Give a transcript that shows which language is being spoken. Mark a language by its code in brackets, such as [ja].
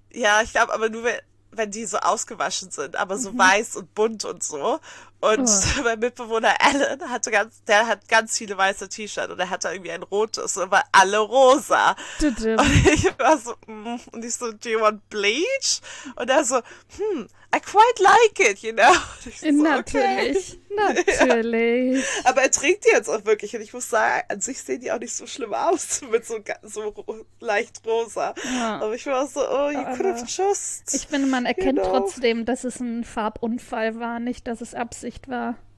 [de] Ja, ich glaube aber nur, wenn die so ausgewaschen sind, aber so weiß und bunt und so. Und mein Mitbewohner Alan hatte ganz, der hat ganz viele weiße T-Shirts und er hatte irgendwie ein rotes und war alle rosa. Und ich war so, und ich so, [en] do you want bleach? [de] Und er so, [en] I quite like it, you know? [de] Und ich so, natürlich, okay. Natürlich. Ja. Aber er trinkt die jetzt auch wirklich und ich muss sagen, an sich sehen die auch nicht so schlimm aus mit so leicht rosa. Ja. Aber ich war so, [en] oh, you could have just. [de] Ich finde, man erkennt trotzdem, dass es ein Farbunfall war, nicht, dass es absolut Sicht war.